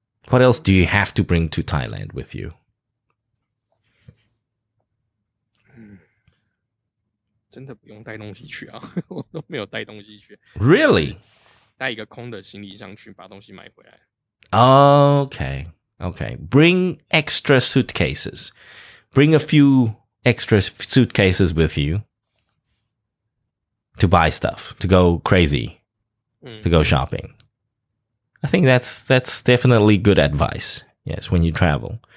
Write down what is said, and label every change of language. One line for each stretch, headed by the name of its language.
English: What else do you have to bring to Thailand with you?
Chinese: 真的不用带东西去啊，我都没有带东西去。
English: Really?
Chinese: 带一个空的行李箱去，把东西买回来。
English: Okay, okay. Bring extra suitcases. Bring a few extra suitcases with you to buy stuff, to go crazy, to go shopping. I think that's definitely good advice, yes, when you travel.